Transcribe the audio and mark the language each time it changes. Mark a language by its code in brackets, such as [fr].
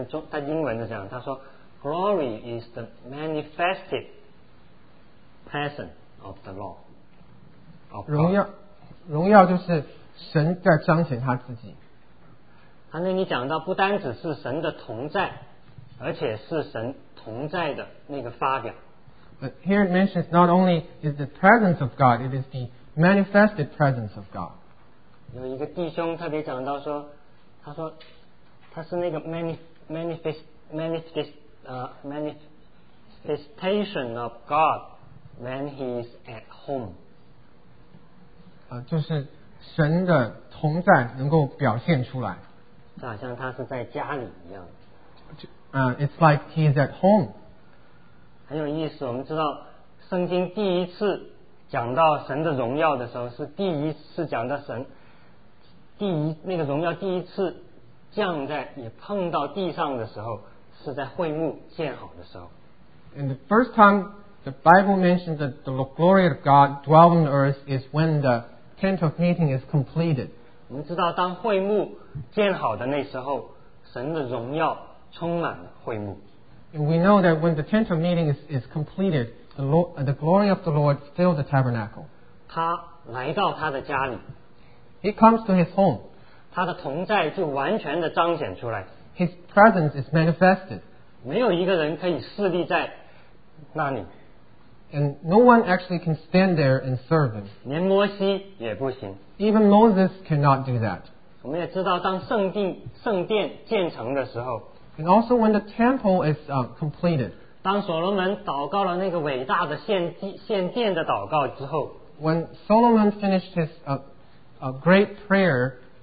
[zh] 他英文是这样，他说 [en] Glory is the manifested presence of the Lord. [zh] 荣耀就是神在彰显他自己。他那里讲到不单只是神的同在，而且是神同在的那个发表。 [en] But here it mentions not only is the presence of God, it is the manifested presence of God. [zh] 有一个弟兄特别讲到说，他说它是那个 [en] manifestation of God when He is at home. [zh] 就是神的同在能够表现出来，就好像他是在家里一样。 [en] It's like He is at home. [zh] 很有意思，我们知道圣经第一次讲到神的荣耀的时候，是第一次讲到神第一那个荣耀第一次。降在也碰到地上的时候，是在会幕建好的时候。 [en] And the first time the Bible mentions that the glory of God dwells on earth is when the tent of meeting is completed. [zh] 我们知道，当会幕建好的那时候，神的荣耀充满了会幕。 [en] And we know that when the tent of meeting is completed, the glory of the Lord fills the tabernacle. [zh] 他来到他的家里。 [en] He comes to his home. [zh] 他的同在就完全的彰显出来。 [en] His presence is manifested. [zh] 没有一个人可以侍立在那里。 [en] And no one actually can stand there and serve him. [zh] 连摩西也不行。 [en] Even Moses cannot do that. [zh] 我们也知道，当圣殿建成的时候。 [en] And also when the temple is completed. [zh] 当所罗门祷告了那个伟大的献殿的祷告之后。 [en] When Solomon finished his great prayer.